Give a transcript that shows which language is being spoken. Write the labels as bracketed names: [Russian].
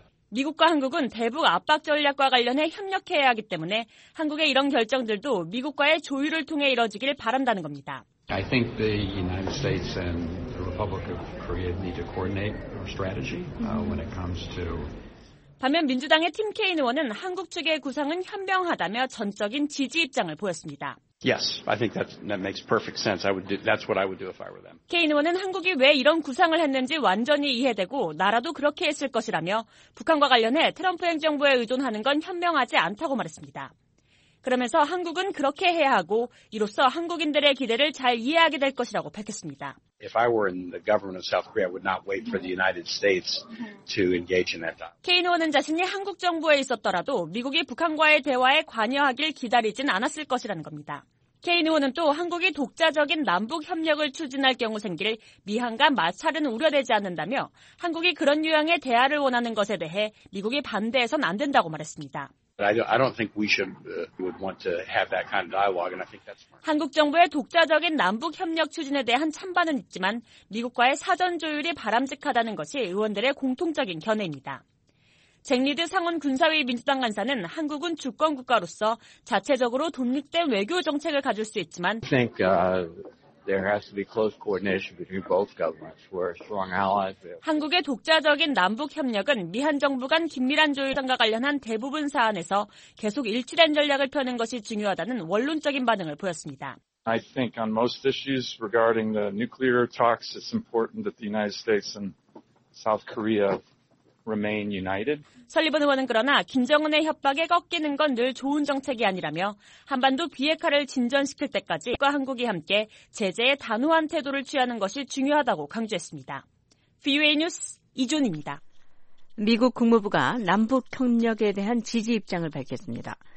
[Korean] 미국과 한국은 대북 압박 전략과 관련해 협력해야 하기 때문에 한국의 이런 결정들도 미국과의 조율을 통해 이뤄지길 바란다는 겁니다. [English] I think the United States and the Republic of Korea need to coordinate our strategy when it comes to [Korean] 반면 민주당의 팀 케인 의원은 한국 측의 구상은 현명하다며 전적인 지지 입장을 보였습니다. [English] Yes, I think that makes perfect sense. That's what I would do if I were them. [Korean] 케인 의원은 한국이 왜 이런 구상을 했는지 완전히 이해되고 나라도 그렇게 했을 것이라며 북한과 관련해 트럼프 행정부에 의존하는 건 현명하지 않다고 말했습니다. 그러면서 한국은 그렇게 해야 하고 이로써 한국인들의 기대를 잘 이해하게 될 것이라고 밝혔습니다. [English] If I were in the government of South Korea, I would not wait for the United States to engage in that dialogue. [Korean] 케인 의원은 자신이 한국 정부에 있었더라도 미국이 북한과의 대화에 관여하길 기다리진 않았을 것이라는 겁니다. 케인 의원은 또 한국이 독자적인 남북 협력을 추진할 경우 생길 미한과 마찰은 우려되지 않는다며 한국이 그런 유형의 대화를 원하는 것에 대해 미국이 반대해서는 안 된다고 말했습니다. [English] I don't think we should would want to have that kind of dialogue, and I think that's smart. [Korean] 한국 정부의 독자적인 남북 협력 추진에 대한 찬반은 있지만 미국과의 사전 조율이 바람직하다는 것이 의원들의 공통적인 견해입니다. 잭리드 상원 군사위 민주당 간사는 한국은 주권 국가로서 자체적으로 독립된 외교 정책을 가질 수 있지만 [English] I think there has to be close coordination between both governments. We're strong allies. [Korean] 한국의 독자적인 남북 협력은 미한 정부 간 긴밀한 조율 등과 관련한 대부분 사안에서 계속 일치된 전략을 펴는 것이 중요하다는 원론적인 반응을 보였습니다. [English] I think on most issues regarding the nuclear talks, it's important that the United States and South Korea remain united. [Korean] 설리번 의원은 그러나 김정은의 협박에 꺾이는 건 늘 좋은 정책이 아니라며 한반도 비핵화를 진전시킬 때까지 미국과 한국이 함께 제재에 단호한 태도를 취하는 것이 중요하다고 강조했습니다. VOA 뉴스 이준입니다. 미국 국무부가 남북협력에 대한 지지 입장을 밝혔습니다.